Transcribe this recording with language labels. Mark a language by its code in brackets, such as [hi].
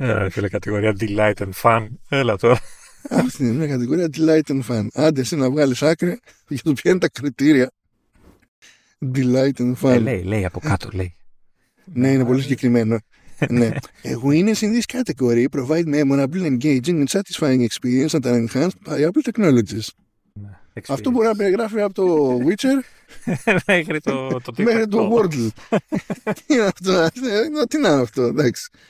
[el] Φίλε, κατηγορία Delight and Fun, έλα τώρα. Αυτή είναι μια κατηγορία delight and fun. Άντε εσύ να βγάλεις άκρη για το ποια είναι τα κριτήρια. [en] Delight and fun. [el] Λέει από κάτω, λέει. Ναι, είναι πολύ συγκεκριμένο. Ναι. [en] A winner in this category provide memorable, engaging and satisfying experience that are enhanced by Apple technologies. [el] Αυτό μπορεί να περιγράφει από το Witcher μέχρι το μέχρι το Wordle. Τι είναι αυτό, τι είναι αυτό, εντάξει.